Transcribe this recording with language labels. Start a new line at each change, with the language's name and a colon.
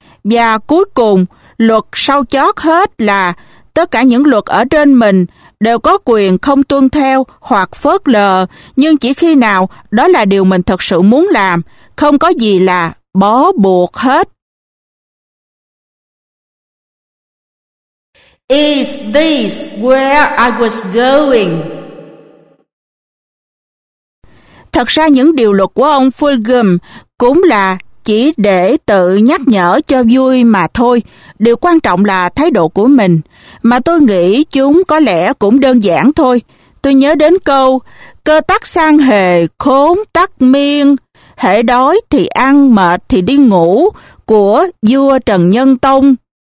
Vietnamese: Và cuối cùng, luật sau chót hết là tất cả những luật ở trên mình đều có quyền không tuân theo hoặc phớt lờ, nhưng chỉ khi nào đó là điều mình thật sự muốn làm, không có gì là bó buộc hết.
English: Is this where I was going?
Vietnamese: Thật ra những điều luật của ông Fulghum cũng là chỉ để tự nhắc nhở cho vui mà thôi. Điều quan trọng là thái độ của mình. Mà tôi nghĩ chúng có lẽ cũng đơn giản thôi. Tôi nhớ đến câu, cơ tắc sang hề, khốn tắc miên, hễ đói thì ăn, mệt thì đi ngủ, của vua Trần Nhân Tông.